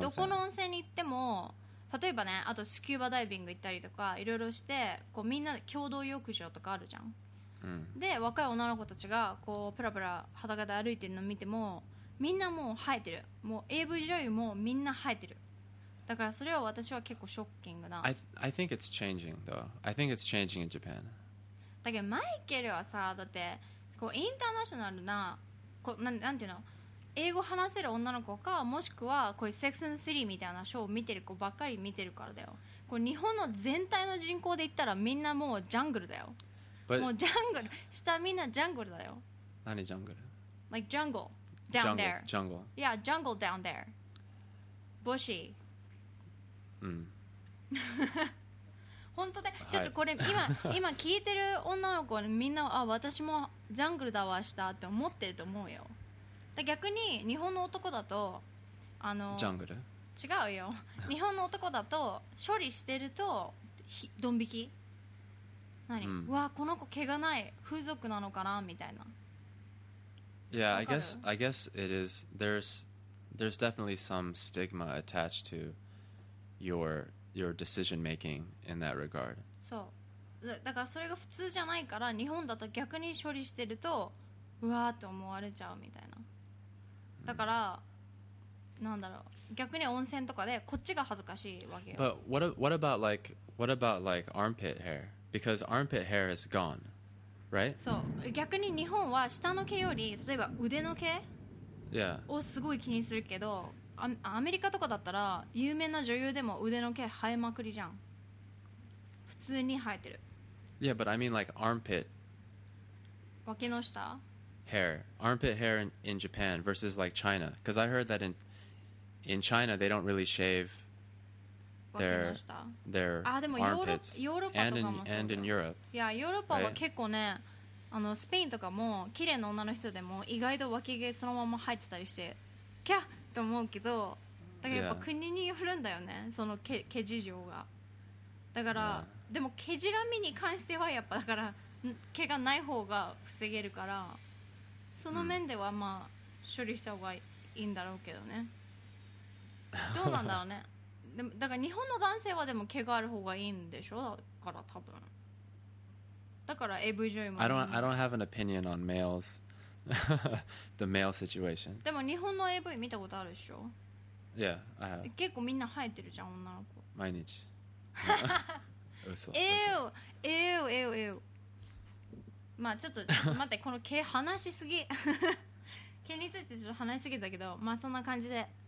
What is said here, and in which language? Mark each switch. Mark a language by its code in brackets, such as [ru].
[ja] どこの温泉に行っても。例えばね、あとスキューバダイビング行ったりとかいろいろして、こうみんな共同浴場とかあるじゃん、うん、で若い女の子たちがこうプラプラ裸で歩いてるの見てもみんなもう生えてる、もう AV 女優もみんな生えてる。だからそれは私は結構ショッキングな。 [en] I think it's changing though. I think it's changing in Japan. [ja] だけどマイケルはさ、だってこうインターナショナルな、こう なんていうの、英語話せる女の子か、もしくはこういうセックス・アンド・シティみたいなショーを見てる子ばっかり見てるからだよ。こう日本の全体の人口で言ったらみんなもうジャングルだよ。 [en] But、 [ja] もうジャングル下みんなジャングルだよ。何ジャングル [en] ？Like jungle down there. Jungle. Yeah, jungle down there. Bushy. [ja] うん。本当で、はい、ちょっとこれ今聞いてる女の子はみんな、あ、私もジャングルだわ下って思ってると思うよ。逆に日本の男だと、あのジャングル違うよ、日本の男だと処理してるとドン引き、何、うん、うわこの子毛がない風俗なのかなみたいな。 [en] Yeah, I guess it is. There's definitely some stigma attached to your decision making in that regard. [ja] そう、だからそれが普通じゃないから、日本だと逆に処理してるとうわーって思われちゃうみたいな。だから、なんだろう、逆に温泉とかでこっちが恥ずかしいわけよ。 [en] But what about like armpit hair? Because armpit hair is gone, right? [ja] そう、逆に日本は下の毛より例えば腕の毛をすごい気にするけど、アメリカとかだったら有名な女優でも腕の毛生えまくりじゃん。普通に生えてる。 [en] Yeah, but I mean like armpit. [ja] 脇の下？ [en] Hair, armpit hair in Japan versus like China, because I heard that in China they don't really shave their armpits. And in Europe. [ja] Yeah, Europe は結構ね、あのスペインとかも綺麗な女の人でも意外と脇毛そのまま生えてたりして、キャッと思うけど、だからやっぱ国によるんだよね、その毛事情が。だからでも毛じらみに関してはやっぱだから毛がない方が防げるから。その面ではまあ処理した方がいいんだろうけどね。どうなんだろうね。でもだから日本の男性はでも毛がある方がいいんでしょ。だから多分。だから AV 女優も。 [en] I don't have an opinion on males, the male situation. [ja] でも日本の AV 見たことあるでしょ。 [en] Yeah, I have. [ja] 結構みんな生えてるじゃん女の子。毎日。嘘。ええよ。ええよ。ええよ。まあちょっと待って、この毛話しすぎ毛についてちょっと話しすぎたけど、まあそんな感じで、